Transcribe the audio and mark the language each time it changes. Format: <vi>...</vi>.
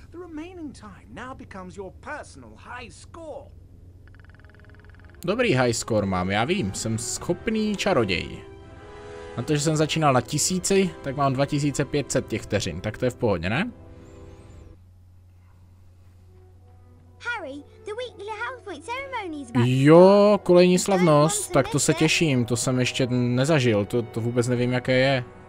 <en>The remaining time now becomes your personal high score.</en> <cs>Dobrý high score mám, já vím, jsem schopný čaroděj. Na to, že jsem začínal na tisíci, tak mám 2500 těch vteřin, tak to je v pohodě, ne?</cs> <en>Harry, the weekly Hufflepuff ceremony is back.</en> <cs>Jo, kolejní slavnost, tak to se těším, to jsem ještě nezažil, to vůbec nevím, jaké je.</cs>